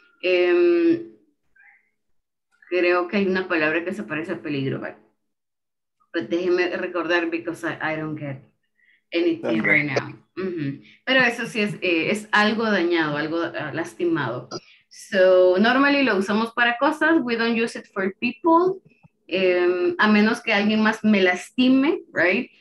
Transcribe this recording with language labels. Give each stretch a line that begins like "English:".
Spanish: Creo que hay una palabra que se parece a peligro, right?
English: But
Spanish: déjeme recordar,
English: because I don't get anything right now. Mm-hmm.
Spanish: Pero eso sí es algo dañado, algo lastimado.
English: So, normally
Spanish: lo usamos para cosas.
English: We don't use it for people.
Spanish: A menos que alguien más me lastime, right?